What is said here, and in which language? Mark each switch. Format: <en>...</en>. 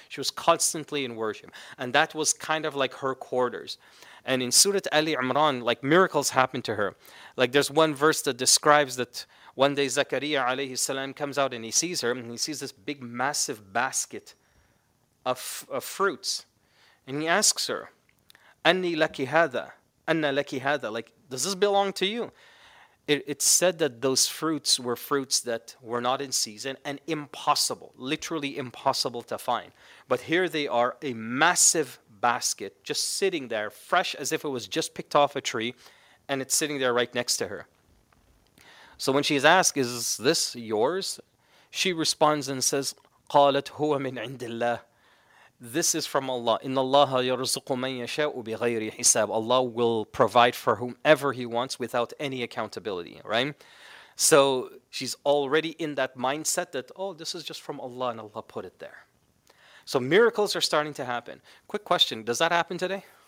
<en>She was constantly in worship. And that was kind of like her quarters. And in Surah Ali Imran, like miracles happen to her. Like there's one verse that describes that one day Zakaria alayhi salam comes out and he sees her, and he sees this big massive basket of fruits. And he asks her,</en> <ar>أَنِّي لَكِ هَذَا أَنَّ لَكِ هَذَا.</ar> <en>Like, does this belong to you? It's said that those fruits were fruits that were not in season and impossible, literally impossible to find. But here they are, a massive basket just sitting there, fresh as if it was just picked off a tree, and it's sitting there right next to her. So when she's asked, is this yours? She responds and says,</en> <ar>قَالَتْ هُوَ مِنْ عِنْدِ اللَّهِ.</ar> <en>This is from Allah.</en> <ar>إِنَّ اللَّهَ يَرْزُقُ مَنْ يَشَاءُ بِغَيْرِ حِسَابٍ.</ar> <en>Allah will provide for whomever He wants without any accountability, right? So she's already in that mindset that, oh, this is just from Allah and Allah put it there. So miracles are starting to happen. Quick question, does that happen today?</en>